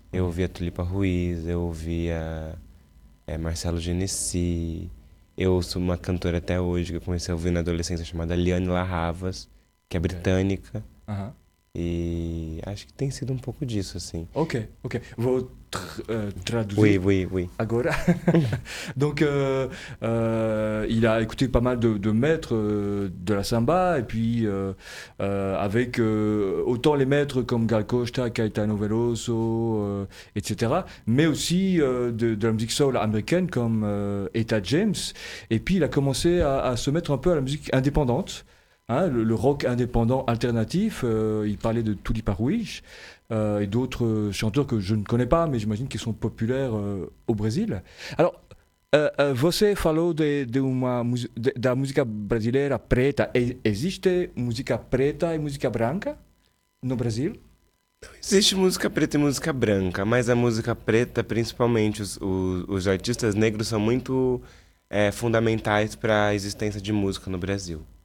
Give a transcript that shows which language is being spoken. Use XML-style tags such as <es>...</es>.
<pt>Eu ouvia Tulipa Ruiz, eu ouvia Marcelo Genesi. Eu ouço uma cantora até hoje que eu comecei a ouvir na adolescência chamada Liane Larravas, que é britânica. E acho que tem sido um pouco disso, assim. Ok. Vou</pt> <fr>Oui,</fr> <pt>traduzir</pt> <fr>oui,</fr> <pt>agora.</pt> <fr>Donc, il a écouté pas mal de maîtres de la samba, et puis avec autant les maîtres comme Gal Costa, Caetano Veloso, etc., mais aussi de la musique soul américaine comme Etta James. Et puis, il a commencé à se mettre un peu à la musique indépendante. Hein, le rock indépendant alternatif, il parlait de Tulipa Ruiz et d'autres chanteurs que je ne connais pas, mais j'imagine qu'ils sont populaires au Brésil.</fr> <pt>Alors, você falou da música brasileira preta. Existe música preta e música branca no Brasil? Existe música preta e música branca, mas a música preta, principalmente os artistas negros, são muito fundamentais para a existência de música no Brasil.</pt>